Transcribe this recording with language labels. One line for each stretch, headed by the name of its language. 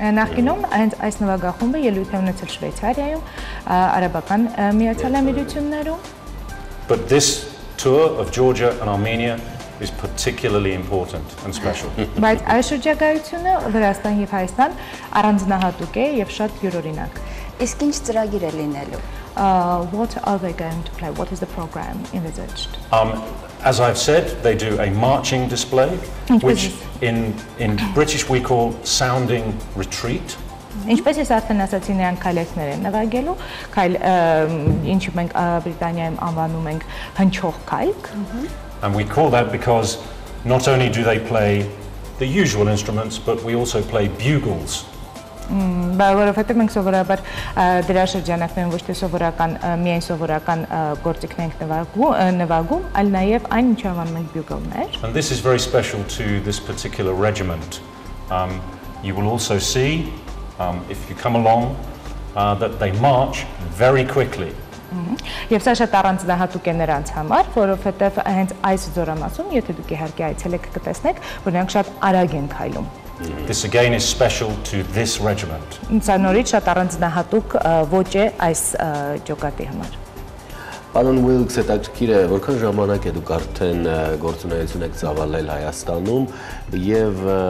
Armenian: Նախկինում այս նվագախումբը ելույթ է ունեցել Շվեյցարիայում, Արաբական Միացյալ Եմիրություններում։
English: But this tour of Georgia and Armenia is particularly important and special.
Armenian: Բայց այս շրջագայությունը Վրաստան եւ Հայաստան առանձնահատուկ է եւ շատ յուրօրինակ։ Իսկ ինչ ծրագիր է լինելու։
English: What are they going to play? What is the program envisaged? As I've said, they do a marching display which in British we call sounding retreat.
Armenian: Ինչպես ես արդեն ասացի, նրանք քայլերքներ են նվագելու, քայլ ինչ մենք Բրիտանիայում անվանում ենք հնչող քայլք։
English: And we call that because not only do they play the usual instruments, but we also play bugles.
Armenian: Բայց մենք սովորաբար դրա շրջանակներում ոչ թե սովորական միայն սովորական գործիքներ ենք նվագում, այլ նաև այն ինչ անվանում ենք բյուգլներ։
English: And this is very special to this particular regiment. You will also see if you come along that they march very quickly.
Armenian: Եվ սա շատ առանձնահատուկ է նրանց համար, որովհետև հենց այս զորամասում, եթե դուք իհարկե այցելեք, կտեսնեք, որ նրանք շատ արագ են քայլում։
English: This again is special to this regiment.
Armenian: Սա նորից շատ առանձնահատուկ ոճ է այս ջոկատի համար։ Պարոն Վիլքս, հետաքրքիր է, որքան ժամանակ է դուք արդեն գործունեություն եք ծավալել Հայաստանում եւ